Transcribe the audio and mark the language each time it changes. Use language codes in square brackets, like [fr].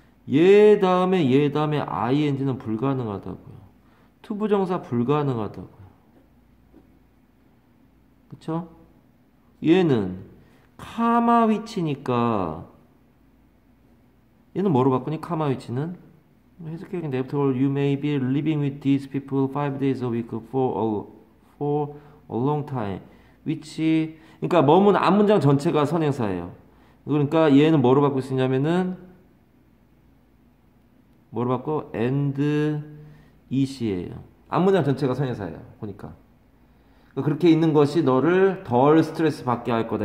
[ko] 얘 다음에 ing는 불가능하다고요. 투부정사 불가능하다고요. 그쵸? 얘는 카마 위치니까, 얘는 뭐로 바꾸니? 카마 위치는? 해석해야겠는데. [en] After all, you may be living with these people 5 days a week for a long time. Which, [ko] 그러니까 머문 앞문장 전체가 선행사예요. 그러니까 얘는 뭐로 바꿀 수 있냐면은, 뭐로 바꿔? [en] And is [ko] 예요. 앞문장 전체가 선행사예요. 보니까. 그렇게 있는 것이 너를 덜 스트레스 받게 할 거다.